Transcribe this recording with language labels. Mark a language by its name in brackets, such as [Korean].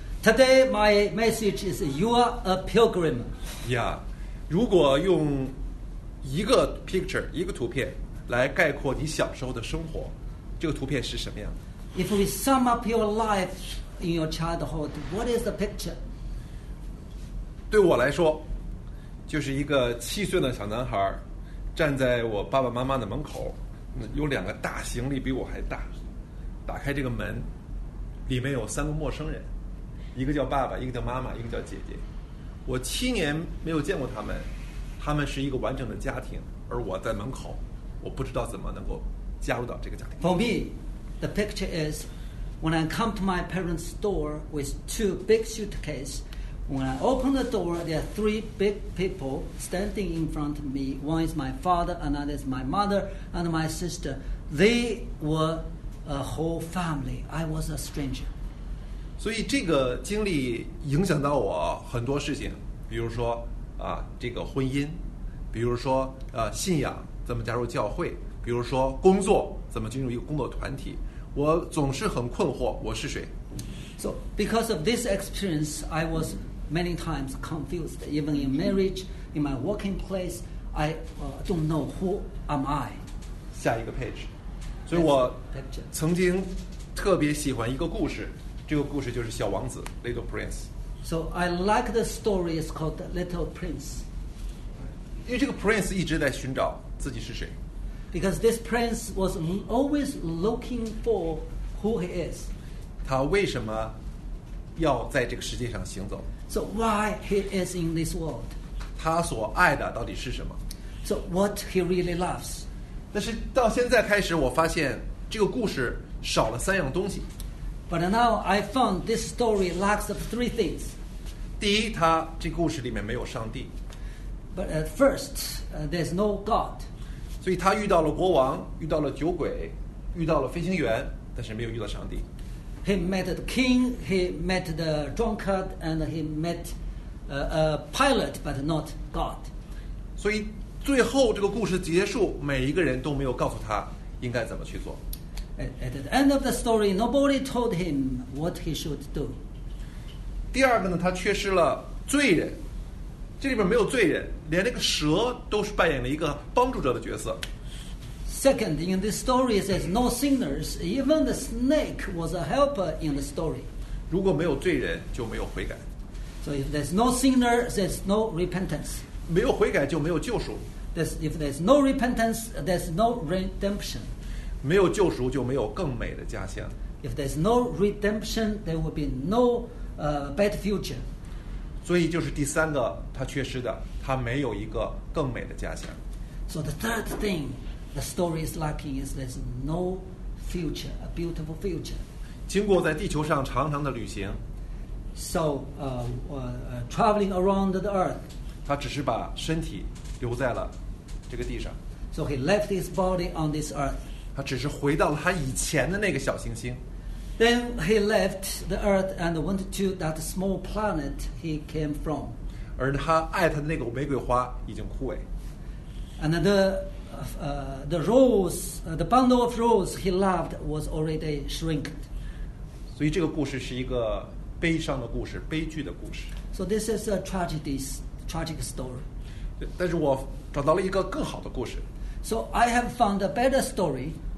[English] Today my message is you are a pilgrim. [Chinese] Yeah, 如果用一个 picture 一个图片来概括你小时候的生活，这个图片是什么样的？ [English] If we sum up your life in your childhood, what is the picture? [Chinese] 对我来说，就是一个七岁的小男孩站在我爸爸妈妈的门口，有两个大行李比我还大，打开这个门，里面有三个陌生人，一个叫爸爸，一个叫妈妈，一个叫姐姐。我七年没有见过他们，他们是一个完整的家庭，而我在门口，我不知道怎么能够加入到这个家庭。 [English] For me, the picture is when I come to my parents' door with two big suitcases. When I open the door, there are three big people standing in front of me. One is my father, another is my mother, and my sister. They were a whole family. I was a stranger. [Chinese] 所以这个经历影响到我很多事情，比如说啊，这个婚姻，比如说信仰怎么加入教会，比如说工作怎么进入一个工作团体，我总是很困惑，我是谁。 [English] So because of this experience, I was many times confused. Even in marriage, in my working place, I don't know who am I. [Chinese] 下一个 page. 所以我曾经特别喜欢一个故事，这个故事就是小王子 Little Prince. [English] So I like the story. It's called Little Prince. [Chinese] 因为这个 Prince 一直在寻找自己是谁。 [English] Because this prince was always looking for who he is. [Chinese] 他为什么要在这个世界上行走？ [English] So why he is in this world? [Chinese] 他所爱的到底是什么？ [English] So what he really loves? [Chinese] 但是到现在开始，我发现这个故事少了三样东西。 [English] But now I found this story lacks of three things. [Chinese] 第一，他这故事里面没有上帝。 [English] But at first, there's no God. [Chinese] 所以他遇到了国王，遇到了酒鬼，遇到了飞行员，但是没有遇到上帝。 [English] He met the king, he met the drunkard, and he met a pilot, but not God. [Chinese] 所以最后这个故事结束，每一个人都没有告诉他应该怎么去做。 [English] At the end of the story, nobody told him what he should do. [Chinese] 第二个呢，他缺失了罪人。这里边没有罪人，连那个蛇都是扮演了一个帮助者的角色。 [English] Second, in this story, it says no sinners. Even the snake was a helper in the story. [Chinese] 如果没有罪人，就没有悔改。 [English] So if there's no sinner, there's no repentance. [Chinese] 没有悔改就没有救赎。 [English] If there's no repentance, there's no redemption. [Chinese] 没有救赎就没有更美的家乡。 [English] If there's no redemption, there will be no bad future. [Chinese] 所以就是第三个他缺失的，他没有一个更美的家乡。 [English] So the third thing the story is lacking is there's no future, a beautiful future. [Chinese] 经过在地球上长长的旅行。 [English] So traveling around the earth. [Chinese] 他只是把身体留在了这个地上。 [English] So he left his body on this earth. [Chinese] 他只是回到了他以前的那个小行星。 [English] Then he left the earth and went to that small planet he came from. [Chinese] 而他爱他的那个玫瑰花已经枯萎。 [English] And the rose, the bundle of rose he loved was already shrinked. [Chinese] 所以这个故事是一个悲伤的故事，悲剧的故事。 [English] So this is a tragic story. [Chinese] 但是我找到了一个更好的故事。 [English] So I have found a better story.